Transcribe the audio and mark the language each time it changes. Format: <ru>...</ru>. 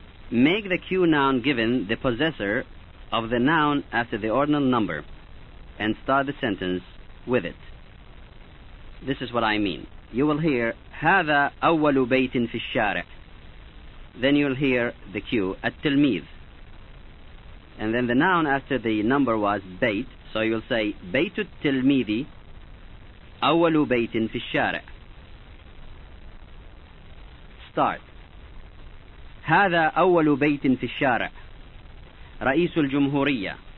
<en>Make the Q noun given the possessor of the noun after the ordinal number and start the sentence with it. This is what I mean. You will hear</en> <ar>هذا أول بيت في الشارع.</ar> <en>Then you'll hear the Q التلميذ. And then the noun after the number was بيت. So you'll say</en> <ar>بيت التلميذ أول بيت في الشارع. Start. هذا أول بيت في الشارع. رئيس الجمهورية.</ar>